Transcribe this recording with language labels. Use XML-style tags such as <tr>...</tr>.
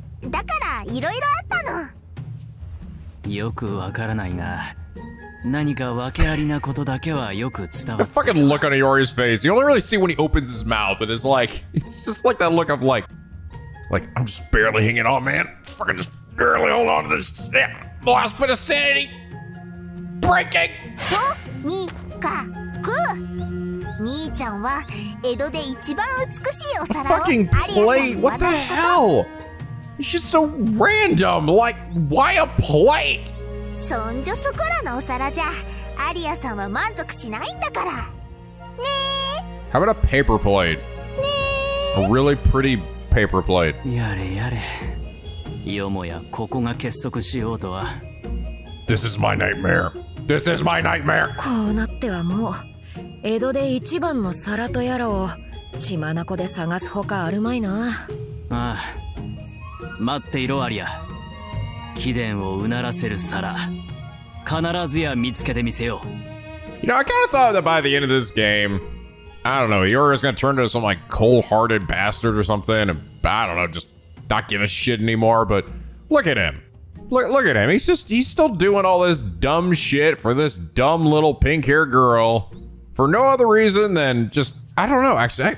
<ja>だからいろいろあったの。よくわからないが、何か訳ありなことだけはよく伝わ</ja> <en>った。The fucking look on Iori's face. You only really see when he opens his mouth, but it's like, it's just like that look of like, I'm just barely hanging on, man. Fucking just barely hold on to this shit. Last bit of sanity. Breaking!</en> <ja>とにかく、兄ちゃんは江戸で一番美しいお皿を。</ja> <en>Fucking plate. What the hell? It's just so random! Like, why a plate?</en> <ja>そんじょそこらのお皿じゃ、アリアさんは満足しないんだから。ねえ。</ja> <en>How about a paper plate?</en> <ja>ねえ。</ja> <en>A really pretty paper plate.</en> <ja>やれやれ。よもやここが結束しようとは。</ja> <en>This is my nightmare. This is my nightmare!</en> <ja>こうなってはもう、江戸で一番の皿とやらを、血眼で探すほかあるまいな。ああ。待っていろアリア、貴殿をうならせる皿、必ずや見つけてみせよう。</ja> <en>You know, I kind of thought that by the end of this game, I don't know, Iori's gonna turn into some like cold-hearted bastard or something, and I don't know, just not give a shit anymore. But look at him, look at him. He's still doing all this dumb shit for this dumb little pink-haired girl for no other reason than just. I don't know, actually.</en>